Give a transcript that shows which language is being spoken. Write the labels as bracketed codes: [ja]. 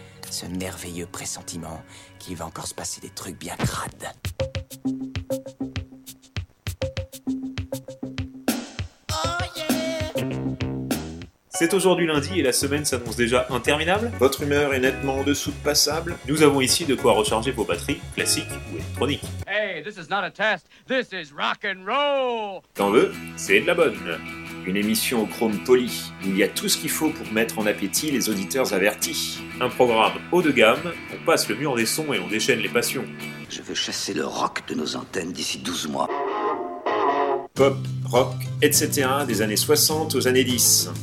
[fr] Ce merveilleux pressentiment qu'il va encore se passer des trucs bien crades. C'est aujourd'hui lundi et la semaine s'annonce déjà interminable. Votre humeur est nettement en dessous de passable. Nous avons ici de quoi recharger vos batteries, classiques ou électroniques. [en] Hey, this is not a test, this is rock and roll. [fr] T'en veux, c'est de la bonne. Une émission au chrome poli, où il y a tout ce qu'il faut pour mettre en appétit les auditeurs avertis. Un programme haut de gamme, on passe le mur des sons et on déchaîne les passions. Je veux chasser le rock de nos antennes d'ici 12 mois. Pop, rock, etc. des années 60 aux années 10.